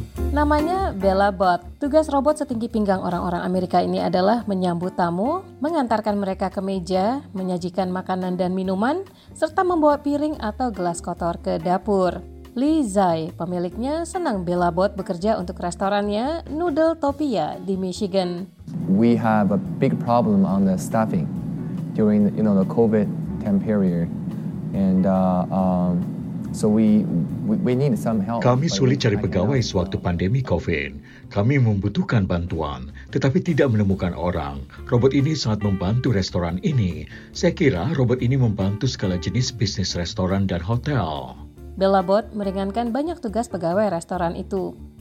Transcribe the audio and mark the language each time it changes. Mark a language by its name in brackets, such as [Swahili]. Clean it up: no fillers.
[Indonesian] Namanya Bella Bot. Tugas robot setinggi pinggang orang-orang Amerika ini adalah menyambut tamu, mengantarkan mereka ke meja, menyajikan makanan dan minuman, serta membawa piring atau gelas kotor ke dapur. Li Zai, pemiliknya, senang Bella Bot bekerja untuk restorannya Noodle Topia di Michigan. [English] We have a big problem on the staffing during the, you know, the COVID time period, and so we need some help. [Indonesian] Kami sulit cari pegawai sewaktu pandemi COVID. Kami membutuhkan bantuan, tetapi tidak menemukan orang. Robot ini sangat membantu restoran ini. Saya kira robot ini membantu segala jenis bisnis restoran dan hotel. Bella Bot meringankan banyak tugas pegawai restoran itu.